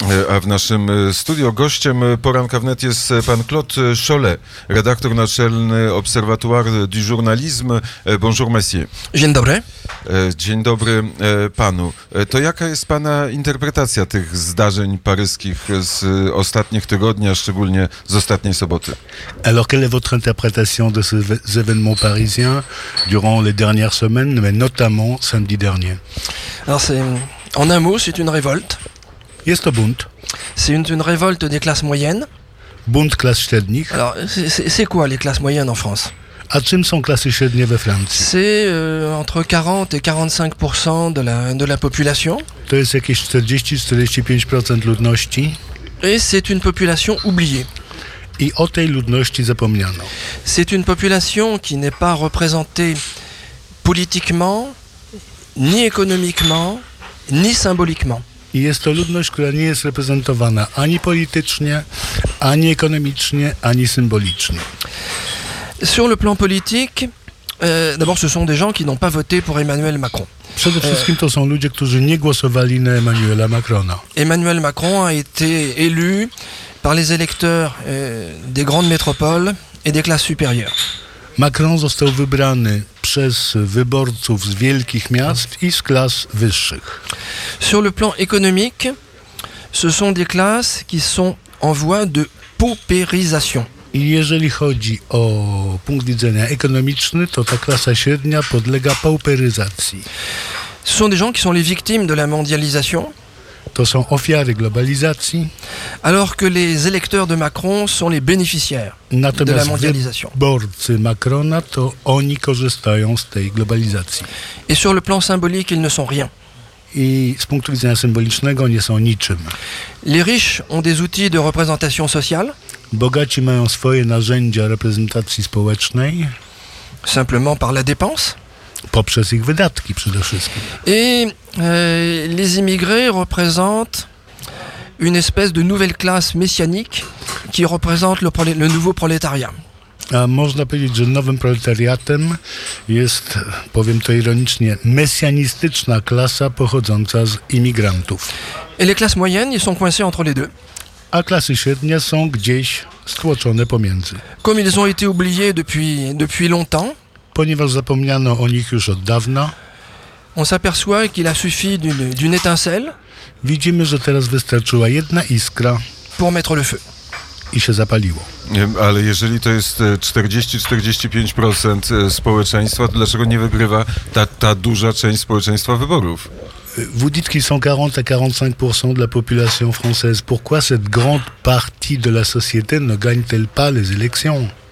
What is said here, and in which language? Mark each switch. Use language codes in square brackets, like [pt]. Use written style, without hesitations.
[pl] A w naszym studio gościem Poranka Wnet jest pan Claude Chollet, redaktor naczelny Observatoire du Journalisme. [fr] Bonjour, monsieur. [pl] Dzień dobry. Dzień dobry panu. To jaka jest pana interpretacja tych zdarzeń paryskich z ostatnich tygodni, a szczególnie z ostatniej soboty? [fr] Alors, quelle est votre interprétation de ces événements parisiens durant les dernières semaines, mais notamment samedi dernier? Alors, en un mot, c'est une révolte. [pl] Jest to bunt. [fr] C'est une révolte des classes moyennes. [pl] Bunt klas średnich. [fr] Alors, c'est quoi les classes moyennes en France? [pl] A czym są klasy średnie we Francji? [fr] C'est entre 40 et 45% de la population. [pl] To jest jakieś 40-45% ludności. [fr] Et c'est une population oubliée. [pl] I o tej ludności zapomniano. [fr] C'est une population qui n'est pas représentée politiquement, ni économiquement, ni symboliquement. [pl] I jest to ludność, która nie jest reprezentowana ani politycznie, ani ekonomicznie, ani symbolicznie. [fr] Sur le plan politique, d'abord ce sont des gens qui n'ont pas voté pour Emmanuel Macron. [pl] Przede wszystkim to są ludzie, którzy nie głosowali na Emmanuela Macrona. [fr] Emmanuel Macron a été élu par les électeurs des grandes métropoles et des classes supérieures. [pl] Macron został wybrany przez wyborców z wielkich miast i z klas wyższych. [fr] Sur le plan économique, ce sont des classes qui sont en voie de paupérisation. [pl] I jeżeli chodzi o punkt widzenia ekonomiczny, to ta klasa średnia podlega pauperyzacji. [fr] Ce sont des gens qui sont les victimes de la mondialisation. [pl] To są ofiary globalizacji. [fr] Alors que les électeurs de Macron sont les bénéficiaires [pl] natomiast [fr] de la mondialisation. [pl] Wyborcy Macrona, to oni korzystają z tej globalizacji. [fr] Et sur le plan symbolique, ils ne sont rien. [pl] I z punktu widzenia symbolicznego nie są niczym. [fr] Les riches ont des outils de représentation sociale. [pl] Bogaci mają swoje narzędzia reprezentacji społecznej. [fr] Simplement par la dépense. [pl] Poprzez ich wydatki przede wszystkim. [fr] Et les immigrés représentent une espèce de nouvelle classe messianique qui représente le nouveau prolétariat. [pl] A można powiedzieć, że nowym proletariatem jest, powiem to ironicznie, mesjanistyczna klasa pochodząca z imigrantów. [fr] Et les classes moyennes, ils sont coincés entre les deux. [pl] A klasy średnie są gdzieś stłoczone pomiędzy. [fr] Comme ils ont été oubliés depuis longtemps. [pl] Ponieważ zapomniano o nich już od dawna. [fr] On s'aperçoit qu'il a suffi d'une étincelle. [pl] Widzimy, że teraz wystarczyła jedna iskra. [fr] Pour mettre le feu. [pl] I się zapaliło. Ale jeżeli to jest 40-45% społeczeństwa, to dlaczego nie wygrywa ta duża część społeczeństwa wyborów? [fr] Vous dites qu'ils sont 40-45% de la population française. Pourquoi cette grande partie de la société ne gagne-t-elle pas les élections?